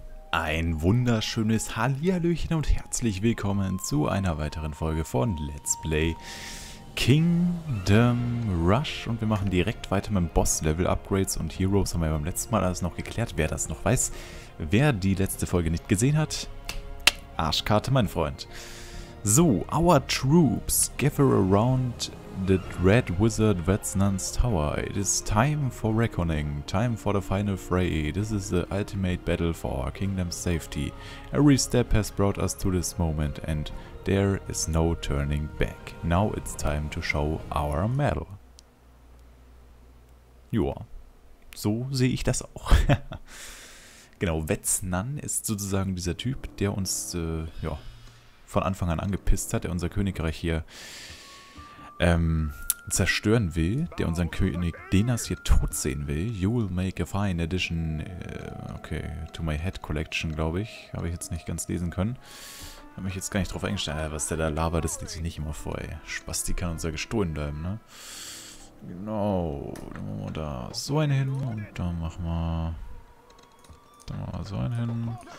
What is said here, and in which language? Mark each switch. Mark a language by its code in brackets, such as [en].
[de] Ein wunderschönes Hallihallöchen und herzlich willkommen zu einer weiteren Folge von Let's Play Kingdom Rush. Und wir machen direkt weiter mit Boss-Level-Upgrades und Heroes. Haben wir beim letzten Mal alles noch geklärt. Wer das noch weiß, wer die letzte Folge nicht gesehen hat, Arschkarte, mein Freund. [en] So, our troops gather around the Red Wizard Vetsnan's Tower. It is time for reckoning, time for the final fray. This is the ultimate battle for our kingdom's safety. Every step has brought us to this moment and there is no turning back. Now it's time to show our mettle. [de] Joa, so sehe ich das auch. Genau, Vetsnan ist sozusagen dieser Typ, der uns von Anfang an angepisst hat, der unser Königreich hier zerstören will, der unseren König Denas hier tot sehen will. [en] You will make a fine addition to my head collection, [de] glaube ich. Habe ich jetzt nicht ganz lesen können. Habe mich jetzt gar nicht drauf eingestellt. Was der da labert, das liest sich nicht immer vor, ey. Spasti kann uns ja gestohlen bleiben, ne? Genau. Dann machen wir da so einen hin und dann machen wir so einen hin.